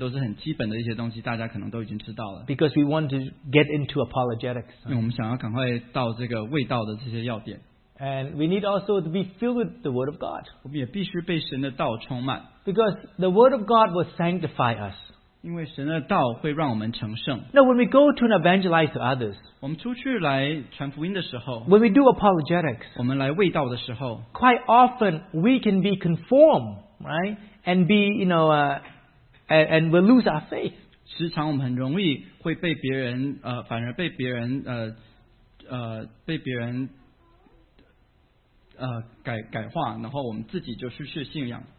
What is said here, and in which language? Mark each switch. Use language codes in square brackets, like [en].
[zh] 抱歉我这个速度有点快,因为我觉得这些都是很基本的一些东西,大家可能都已经知道了。 [en] Because we want to get into apologetics. [zh] 因为我们想要赶快到这个味道的这些要点。 [en] And we need also to be filled with the Word of God. [zh] 我们也必须被神的道充满。 [en] Because the Word of God will sanctify us. [zh] 因为神的道会让我们成圣。 [en] Now when we go to an evangelize to others, [zh] 我们出去来传福音的时候, [en] when we do apologetics, [zh] 我们来卫道的时候, [en] quite often we can be conformed, right? And be, you know, and we'll lose our faith. [zh] 时常我们很容易会被别人, 反而被别人, 被别人, 改化, 然后我们自己就失去信仰。